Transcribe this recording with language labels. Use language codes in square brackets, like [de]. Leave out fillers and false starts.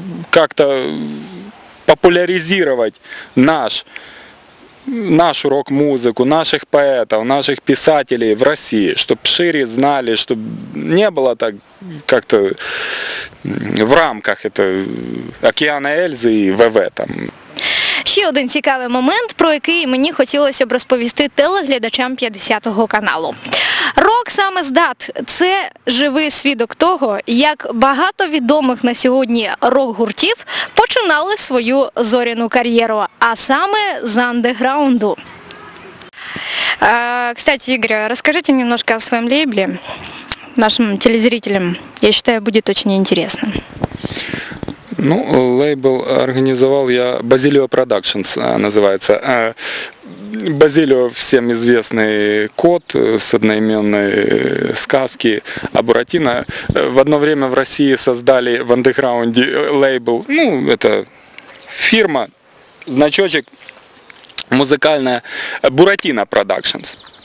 [ru] Как-то популяризировать нашу рок-музыку, наших поэтов, наших писателей в России, чтобы шире знали, чтобы не было так как-то в рамках это Океана Эльзы и ВВ там. [uk] Ще один цікавий момент, про який мені хотілося б розповісти телеглядачам 50-го каналу. Рок саме здат – це живий свідок того, як багато відомих на сьогодні рок-гуртів починали свою зоряну кар'єру, а саме з андеграунду. [ru] Кстати, [uk] Ігор, розкажіть [ru] немножко о [uk] своєму лейблі нашим [ru] телезрителям. [uk] Я вважаю, буде дуже цікаво. [ru] Ну, лейбл организовал я, Basilio Productions называется. Базилио, всем известный кот с одноименной сказки о Буратино. В одно время в России создали в андеграунде лейбл, ну, это фирма, значочек музыкальная Буратино Productions.